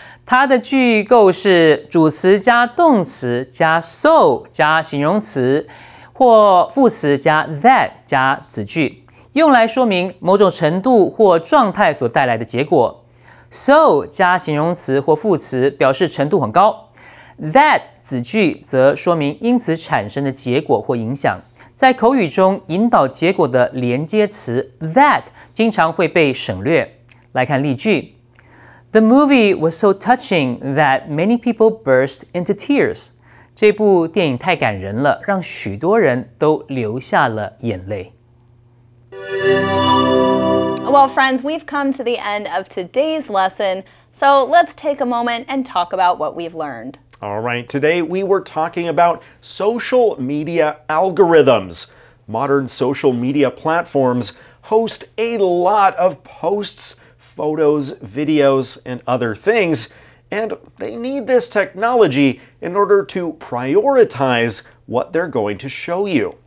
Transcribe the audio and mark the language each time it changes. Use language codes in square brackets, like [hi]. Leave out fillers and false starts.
[zh] 它的句构是主词加动词加 so 加形容词，或副词加 that 加子句，用来说明某种程度或状态所带来的结果。 So 加形容词或副词表示程度很高。 That 子句则说明因此产生的结果或影响。在口语中引导结果的连接词 that 经常会被省略。来看例句。 [en] The movie was so touching that many people burst into tears. [zh] 这部电影太感人了，让许多人都流下了眼泪。 [en] Well, friends, we've come to the end of today's lesson, so let's take a moment and talk about what we've learned. All right, today we were talking about social media algorithms. Modern social media platforms host a lot of posts, photos, videos, and other things, and they need this technology in order to prioritize what they're going to show you.